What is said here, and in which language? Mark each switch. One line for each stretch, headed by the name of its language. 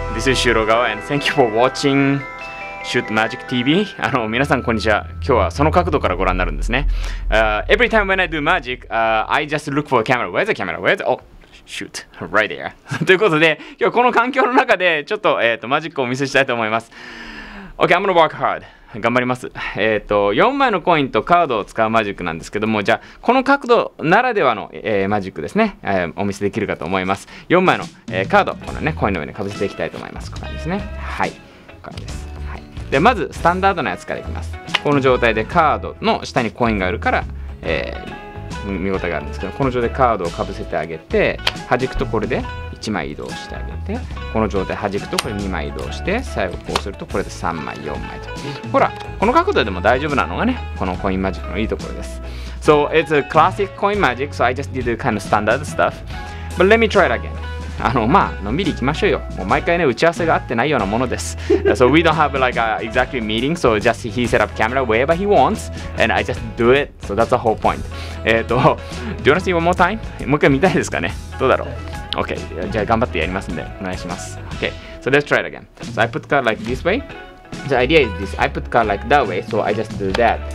English: This is Shirogawa and thank you for watching Shoot Magic TV.
Japanese: あの、皆さんこんにちは。今日はその角度からご覧になるんですね。
English: Every time when I do magic, I just look for a camera. Where's the camera? Where's the... Oh, shoot. Right there.
Japanese: ということで、今日この環境の中でちょっと、マジックをお見せしたいと思います。
English: Okay, I'm gonna work hard.
Japanese: 頑張ります。 4枚のコインとカードを使うマジックなんですけども、じゃあこの角度ならではの、マジックですね、お見せできるかと思います。 4枚の、カード、このね、コインの上にかぶせていきたいと思います。ここですね。はい、ここです。はい、でまずスタンダードなやつからいきます。この状態でカードの下にコインがあるから、見応えがあるんですけど、この状態でカードをかぶせてあげて、弾くとこれで1枚移動してあげて、この状態弾くとこれ2枚移動して、最後こうするとこれで3枚4枚と、ほらこの角度でも大丈夫なのがね、このコインマジックのいいところです。
English: So it's a classic coin magic, so I just did a kind of standard stuff, but let me try it again.
Japanese: あの、まあのんびりいきましょうよ。もう毎回ね、打ち合わせがあってないようなものです。
English: So we don't have like a exactly meeting, so just he set up camera wherever he wants and I just do it, so that's the whole point. Do you want to see one more time?
Japanese: もう一回見たいですかね、どうだろう。Okay, じゃあ頑張ってやりますんで、お願いします。
English: Okay, so let's try it again. So I put card like this way. The idea is this. I put card like that way, so I just do that.